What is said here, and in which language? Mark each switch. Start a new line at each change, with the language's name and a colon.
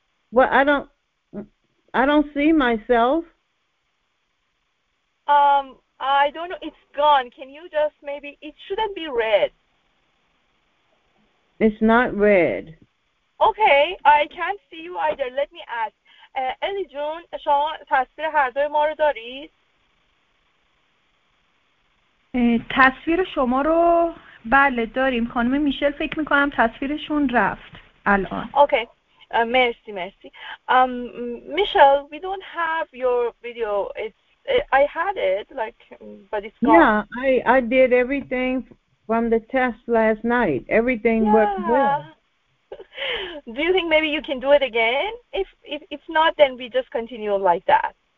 English: Well, I don't see myself. I don't know. It's gone. Can you just maybe? It shouldn't be red. It's not red. Okay, I can't see you either. Let me ask.
Persian: Ellie June, شما تصویر هر دوی ما رو دارید؟ تصویر شما رو بله داریم. خانم میشل فکر میکنم تصویرشون رفت الان. Okay, مرسی مرسی.
English: Michelle, we don't have your video. I had it, but it's gone. Yeah, I did everything from the test last night. Everything worked well. Do you think maybe you can do it again? If not, then we just continue like that.